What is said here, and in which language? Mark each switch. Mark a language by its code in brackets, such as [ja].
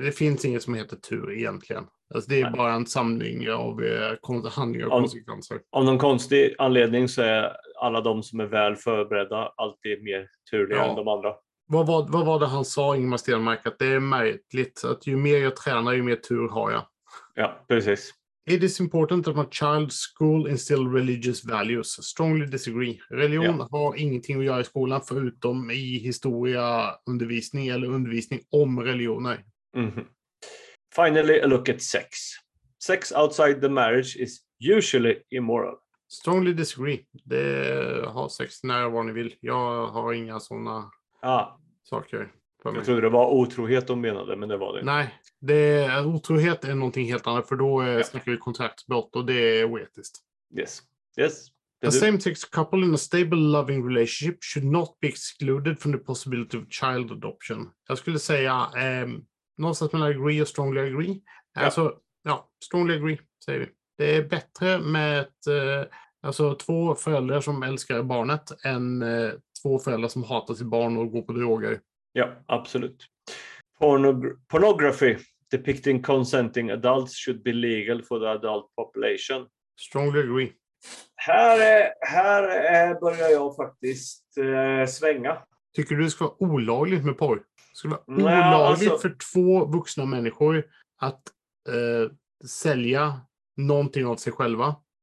[sv] Det finns inget som heter tur egentligen. Alltså det är bara en samling av handlingar och konsekvenser. Av någon konstig anledning så är alla de som är väl förberedda alltid mer turliga än de andra. Vad var det han sa, Ingemar Stenmark, att det är märkligt att ju mer jag tränar, ju mer tur har jag. Ja, precis. [en] It is important that my child's school instill religious values. Strongly disagree. [sv] Religion har ingenting att göra i skolan förutom i historieundervisning eller undervisning om religioner. [en] Mm-hmm. Finally, a look at sex. Sex outside the marriage is usually immoral. Strongly disagree. [sv] Det har sex nära vad ni vill. Jag har inga sådana saker. Jag trodde det var otrohet de menade, men det var det. Nej, otrohet är någonting helt annat, för då snackar vi kontraktsbrott och det är oetiskt. [en] Yes, yes. A same-sex couple in a stable loving relationship should not be excluded from the possibility of child adoption. [sv] Jag skulle säga någonstans mellan agree och strongly agree. Alltså, ja, [en] strongly agree, [sv] säger vi. Det är bättre med två föräldrar som älskar barnet än två föräldrar som hatar sitt barn och går på droger. Ja, absolut. [en] Pornography depicting consenting adults should be legal for the adult population. Strongly agree. [sv] Här börjar jag faktiskt svänga. Tycker du det ska vara olagligt med porr? Ska det vara olagligt för två vuxna människor att sälja någonting av sig själva?